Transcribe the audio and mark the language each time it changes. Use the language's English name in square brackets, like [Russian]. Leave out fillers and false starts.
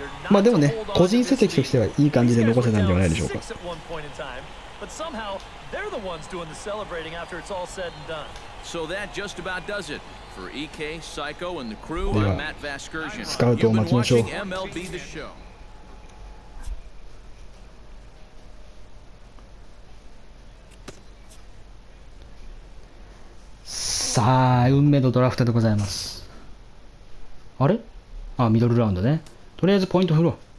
[Japanese] まあでもね、個人成績としてはいい感じで残せたんじゃないでしょうか。 [English] But somehow, they're the ones doing the celebrating after it's all said and done. So that just about does it. For EK, Psycho, and the crew, I'm Matt Vasgersian. [Japanese] スカウトを待ちましょう。 [English] You've been watching MLB The Show. [Japanese] さあ、運命のドラフトでございます。あれ？あ、ミドルラウンドね。とりあえずポイント振ろう。